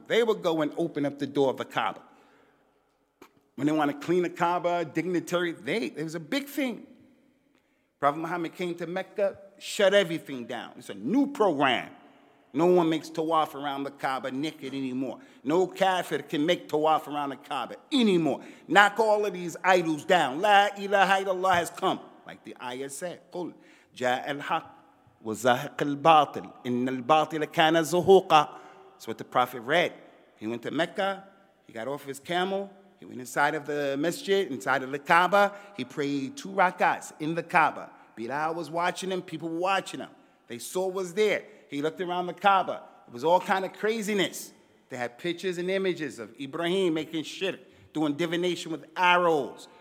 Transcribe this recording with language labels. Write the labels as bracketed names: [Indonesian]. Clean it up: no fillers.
[English] They would go and open up the door of the Kaaba. When they want to clean the Kaaba, dignitary, it was a big thing. Prophet Muhammad came to Mecca, shut everything down. It's a new program. No one makes tawaf around the Kaaba naked anymore. No kafir can make tawaf around the Kaaba anymore. Knock all of these idols down. La ilaha illallah has come. Like the ayah said, [Arabic] قُلْ جَاءَ الْحَقِّ وَزَهَقَ الْبَاطِلِ إِنَّ الْبَاطِلَ كَانَ زُهُوقًا. [English] That's what the Prophet read. He went to Mecca. He got off his camel. He went inside of the masjid, inside of the Kaaba. He prayed two rakats in the Kaaba. Bilal was watching him. People were watching him. They saw what was there. He looked around the Kaaba. It was all kind of craziness. They had pictures and images of Ibrahim making shirk, doing divination with arrows.